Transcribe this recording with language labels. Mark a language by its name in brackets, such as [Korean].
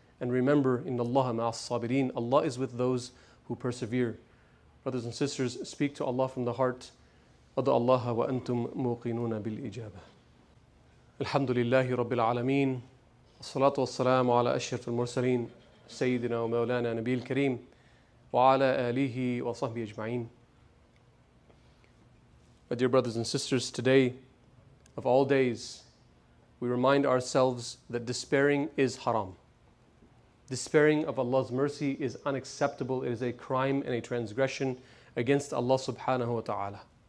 [English] And remember, [Arabic] إِنَّ اللَّهَ مَعَ الصَّابِرِينَ. [English] Allah is with those who persevere. Brothers and sisters, speak to Allah from the heart. [Arabic] أَدْعُوا اللَّهَ وَأَنْتُمْ مُوقِنُونَ بِالْإِجَابَةِ. الحمد لله رب العالمين الصلاة والسلام على أشرف المرسلين سيدنا ومولانا نبي الكريم وعلى آله وصحبه أجمعين. [English] My dear brothers and sisters, today of all days we remind ourselves that despairing is haram. Despairing of Allah's mercy is unacceptable. It is a crime and a transgression against Allah subhanahu wa ta'ala.